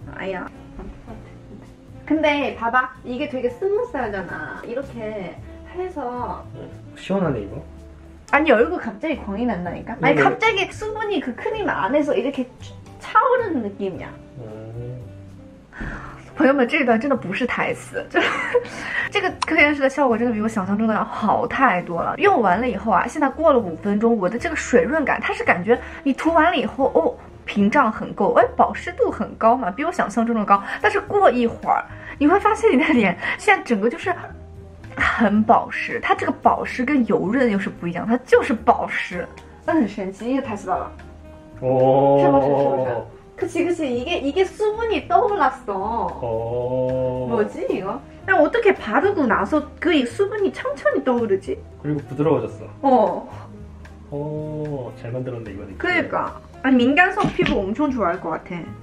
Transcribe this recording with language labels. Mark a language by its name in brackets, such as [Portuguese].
[Korean] 아니야근데봐봐이게되게스무스하잖아이렇게해서 시원하네이거 아니얼굴갑자기광이난다니까아니갑자기수분이그크림안에서이렇게차오르는느낌이야 [Chinese] 朋友们，这一段真的不是台词，这个科颜氏的效果真的比我想象中的好太多了。用完了以后啊，现在过了5分钟，我的这个水润感，它是感觉你涂完了以后，哦，屏障很够，哎，保湿度很高嘛，比我想象中的高。但是过一会儿，你会发现你的脸现在整个就是很保湿，它这个保湿跟油润又是不一样，它就是保湿，那很神奇，也太知道了。哦，是不是？是不是？ [Korean] 그치그치이게이게수분이떠올랐어 哦， 뭐지이거나어떻게바르고나서그이수분이천천히떠오르지 그리고부드러워졌어 어 오잘만들었네이번에 그러니까아니민감성피부엄청좋아할것같아